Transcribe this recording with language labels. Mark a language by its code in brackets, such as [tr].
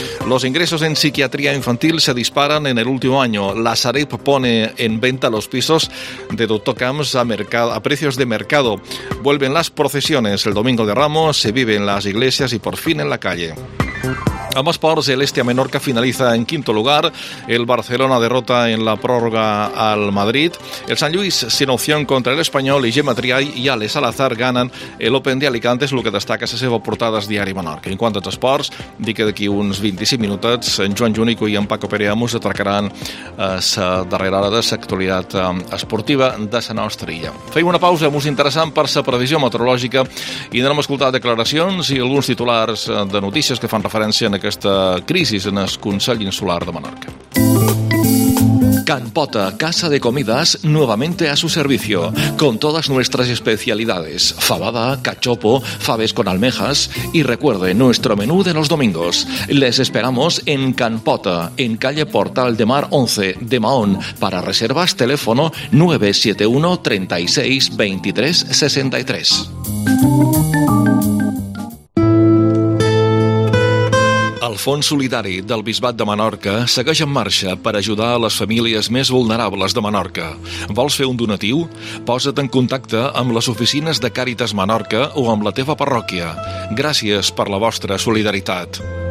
[es] Los ingresos en psiquiatría infantil se disparan en el último año. La Sareb pone en venta los pisos de Doctor Camps a precios de mercado. Vuelven las procesiones. El domingo de Ramos se vive en las iglesias y por fin en la calle. [ca] Amb esports, [es] el Estia Menorca finaliza en quinto lugar. El Barcelona derrota en la pròrroga al Madrid. El Sant Lluís sin opción contra el Espanyol, i Gemma Triay i Ale Salazar ganen el Open de Alicante. [ca] És el que destaca la seva portada al diari Menorca. En quant als esports, dic que d'aquí uns 25 minuts en Joan Júnico i en Paco Perea mos atracaran la darrera hora de l'actualitat esportiva de la nostra illa. Feim una pausa mos interessant per la previsió meteorològica i anem a escoltar declaracions i alguns titulars de notícies que fan referència en aquesta crisi en el Consell Insular de Menorca. [es] Can Pota, casa de comidas, nuevamente a su servicio, con todas nuestras especialidades, fabada, cachopo, faves con almejas, y recuerde nuestro menú de los domingos. Les esperamos en Can Pota, en calle Portal de Mar 11, de Mahón, para reservas teléfono 971-36-2363. [ca] El Fons Solidari del Bisbat de Menorca segueix en marxa per ajudar a les famílies més vulnerables de Menorca. Vols fer un donatiu? Posa't en contacte amb les oficines de Càritas Menorca o amb la teva parròquia. Gràcies per la vostra solidaritat.